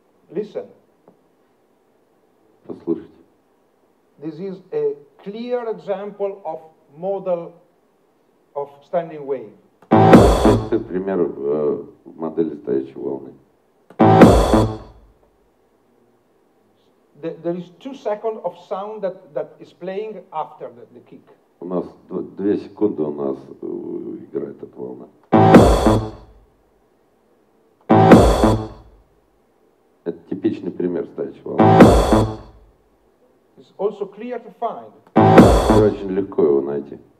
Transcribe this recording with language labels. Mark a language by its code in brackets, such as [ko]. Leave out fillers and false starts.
[en] Listen. [ru] Послушайте. [en] This is a clear example of modal of standing wave. [ru] Это пример модели стоящей волны. [en] There is 2 seconds of sound that is playing after the kick. [ru] У нас 2 секунды у нас играет эта волна. Это типичный пример стоящей волны. [en] It's also clear to find. [ru] И очень легко его найти.